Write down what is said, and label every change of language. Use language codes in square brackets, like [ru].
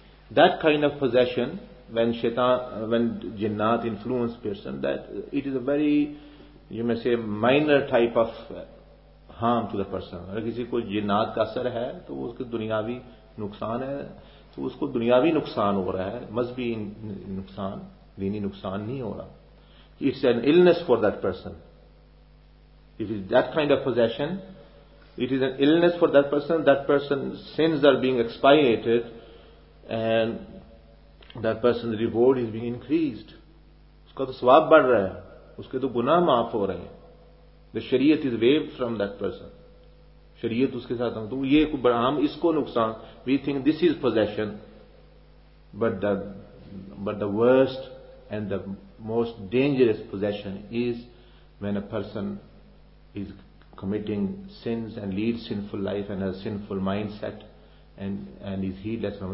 [en] That kind of possession, when jinnat influence person, that it is a very, you may say, minor type of harm to the person. [ur] اگر کسی کو جنات کا اثر ہے تو وہ اس کے دنیاوی نقصان ہے, تو اس کو دنیاوی نقصان ہو رہا ہے, مذہبی نقصان, دینی نقصان نہیں ہو رہا. [en] It's an illness for that person. If it's that kind of possession, it is an illness for that person. That person's sins are being expiated and that person's reward is being increased. [ur] اس کا تو ثواب بڑھ رہا ہے, اس کے تو گناہ معاف ہو رہے ہیں. [en] The shariat is waived from that person. [ur] Shariat اس کے ساتھ ہوں تو یہ بڑا عام اس کو نقصان. [en] We think this is possession, but the worst and the most dangerous possession is when a person is committing sins and leads sinful life and has a sinful mindset and is heedless.